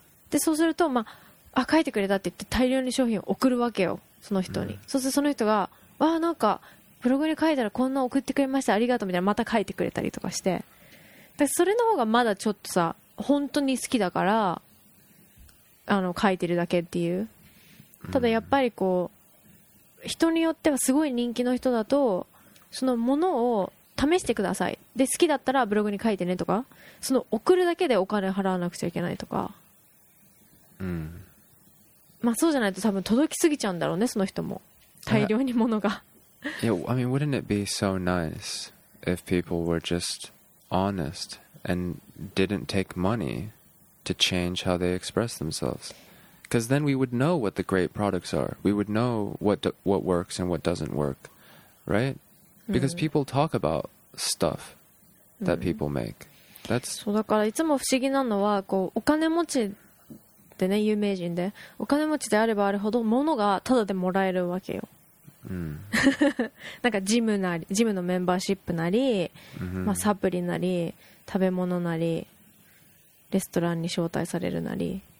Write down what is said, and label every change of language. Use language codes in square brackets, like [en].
[ja] でそうすると、まあ、あ書いてくれたって言って大量に商品を送るわけよその人に、mm-hmm. そうするとその人がわあなんかブログに書いたらこんな送ってくれましたありがとうみたいなまた書いてくれたりとかして、だからそれの方がまだちょっとさ本当に好きだからあの書いてるだけっていう、ただやっぱりこう人によってはすごい人気の人だとそのものを試してくださいで好きだったらブログに書いてねとか、その送るだけでお金払わなくちゃいけないとか、うん、まあそうじゃないと多分届きすぎちゃうんだろうねその人も大量にものが。 [en] Yeah, I mean, wouldn't it be so nice if people were just honest and didn't take money to change how they express themselves? Because then we would know what the great products are. We would know what works and what doesn't work, right? Because people talk about stuff that people make. That's [ja] そうだからいつも不思議なのはこうお金持ちでね有名人でお金持ちであればあるほど物がただでもらえるわけよ。なんかジムなりジムのメンバーシップなり、 mm-hmm. まあサプリなり食べ物なりレストランに招待されるなり、